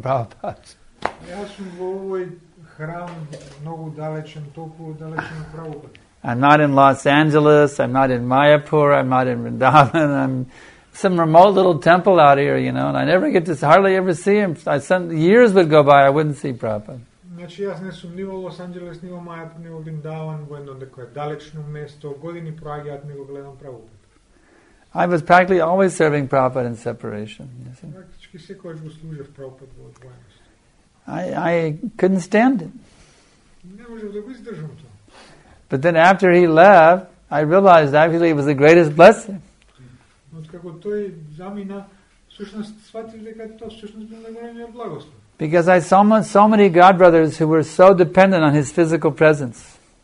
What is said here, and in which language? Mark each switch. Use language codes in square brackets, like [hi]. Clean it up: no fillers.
[en] Prabhupada. I'm not in Los Angeles, I'm not in Mayapur, I'm not in Vrindavan, I'm some remote little temple out here, you know, and I never get to hardly ever see him. Years would go by, I wouldn't see Prabhupada. [mk] Значи јас не сум ни во Лос Анджелес, ни во Мајап, ни во Виндаван, во едно некое далечно место, години проаѓаат ми го гледам Прабхупад. [en] I was practically always serving Prabhupada in separation. [mk] Практички секогаш го служев Прабхупад во одвојеност. [en] I couldn't stand it. [mk] Не можев да го издржам тоа. [en] But then after he left, I realized actually it was the greatest blessing. [mk] Но како тој замина, всушност сфатив дека тоа всушност бил најголемиот благослов. [en] Because I saw so many God brothers who were so dependent on his physical presence.